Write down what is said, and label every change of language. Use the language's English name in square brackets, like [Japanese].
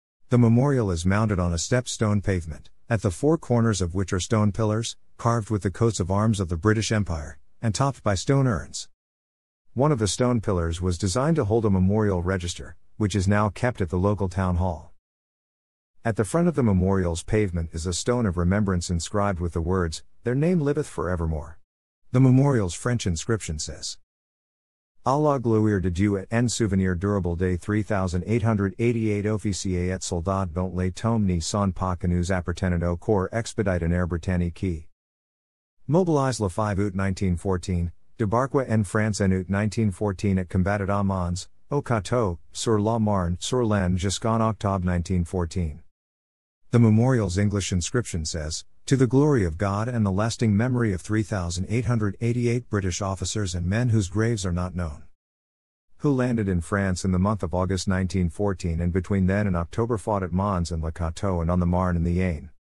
[English] The memorial is mounted on a stepped stone pavement, at the four corners of which are stone pillars, carved with the coats of arms of the British Empire, and topped by stone urns. One of the stone pillars was designed to hold a memorial register, which is now kept at the local town hall. At the front of the memorial's pavement is a stone of remembrance inscribed with the words, "Their name liveth forevermore." [French] The memorial's French inscription says, "A la gloire de Dieu et en souvenir durable des 3,888 officiers et soldats dont les tombes ne sont pas connues appartenant au corps expeditionnaire britannique qui mobilized le 5 août 1914, débarqua en France en août 1914 et combattit à Mons, au Cateau, sur la Marne, sur l'Aisne jusqu'en octobre 1914. [English] The memorial's English inscription says, "To the glory of God and the lasting memory of 3,888 British officers and men whose graves are not known, who landed in France in the month of August 1914 and between then and October fought at Mons and Le Cateau and on the Marne and the Aisne."